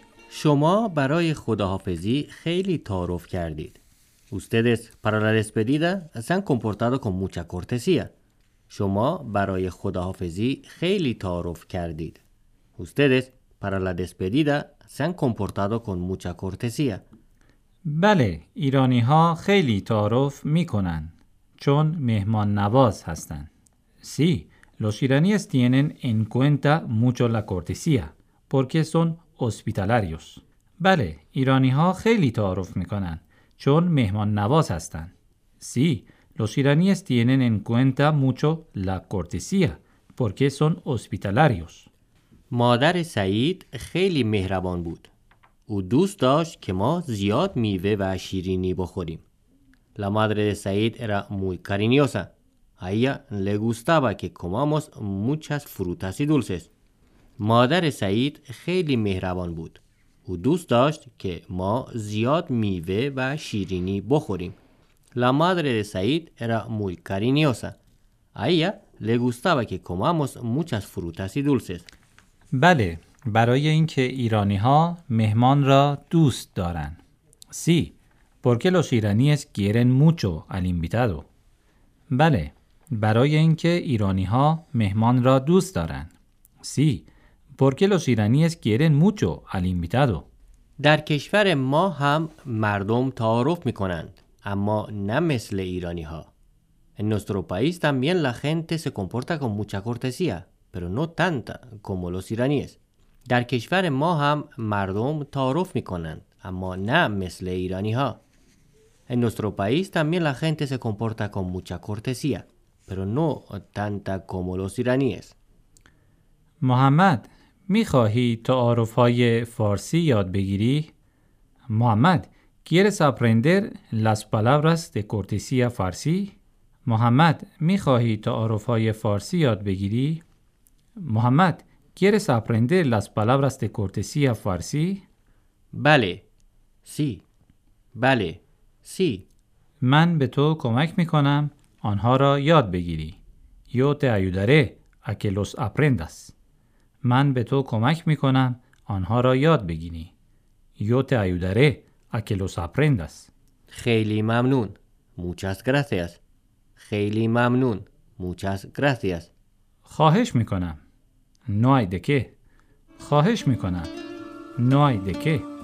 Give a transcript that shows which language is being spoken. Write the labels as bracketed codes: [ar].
[fa] شما برای خداحافظی خیلی تعارف کردید. [es] Ustedes para la despedida se han comportado con mucha cortesía. [fa] شما برای خداحافظی خیلی تعارف کردید. [es] Ustedes para la despedida se han comportado con mucha cortesía. [fa] بله، ایرانی ها خیلی تعارف می کنن چون مهمان نواز هستن. [es] Sí, los iraníes tienen en cuenta mucho la cortesía porque son hospitalarios. [fa] بله، ایرانی ها خیلی تعارف می کنن چون مهمان نواز هستن. [es] Sí, los iraníes tienen en cuenta mucho la cortesía porque son hospitalarios. [fa] مادر سعید خیلی مهربان بود. او دوست داشت که ما زیاد میوه و شیرینی بخوریم. [es] La madre de Said era muy cariñosa. A ella le gustaba que comamos muchas frutas y dulces. [fa] مادر سعید خیلی مهربان بود. او دوست داشت که ما زیاد میوه و شیرینی بخوریم. [es] La madre de Said era muy cariñosa. A ella le gustaba que comamos muchas frutas y dulces. [fa] بله، برای اینکه ایرانی ها مهمان را دوست دارن. [es] Sí, porque los iraníes quieren mucho al invitado. [fa] بله، برای اینکه ایرانی ها مهمان را دوست دارن. [es] Sí, porque los iraníes quieren mucho al invitado. [fa] در کشور ما هم مردم تعارف می کنند، اما نه مثل ایرانی ها. [es] En nuestro país también la gente se comporta con mucha cortesía, pero no tanta como los iraníes. [fa] در کشور ما هم مردم تعارف می کنند، اما نه مثل ایرانی ها. [es] En nuestro país también la gente se comporta con mucha cortesía, pero no tanta como los iraníes. [fa] محمد، می خواهی تعارف های فارسی یاد بگیری؟ محمد، [es] ¿quieres aprender las palabras de cortesía farsi? [fa] محمد، می خواهی تعارف های فارسی یاد بگیری؟ محمد، [es] ¿quieres aprender las palabras de cortesía farsi? Vale, sí. Vale, sí. [fa] من به تو کمک می کنم آنها را یاد بگیری. [es] Yo te ayudaré a que los aprendas. [fa] من به تو کمک می کنم آنها را یاد بگیری. [es] Yo te ayudaré a que los aprendas. [fa] خیلی ممنون. [es] Muchas gracias. [fa] خیلی ممنون. [es] Muchas gracias. [fa] خواهش می کنم. [es] No hay de qué. خواهش می کنم. No hay de qué.